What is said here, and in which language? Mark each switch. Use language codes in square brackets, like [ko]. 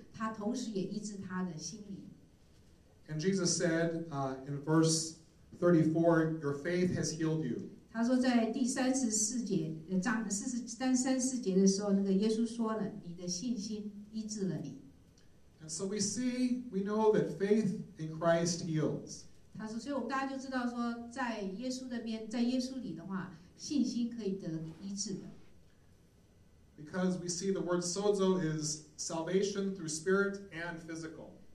[zh] 他同时也医治他的心灵。 [en] And Jesus said in verse 34, "Your faith has healed you." [zh] 他说在第三十四节章三十四节的时候，那个耶稣说了，你的信心医治了你。 [en] And so we know that faith in Christ heals. [zh] 他说，所以我们大家就知道说，在耶稣那边，在耶稣里的话，信心可以得医治的。 [en] Because we see the word sozo is salvation through spirit and physical.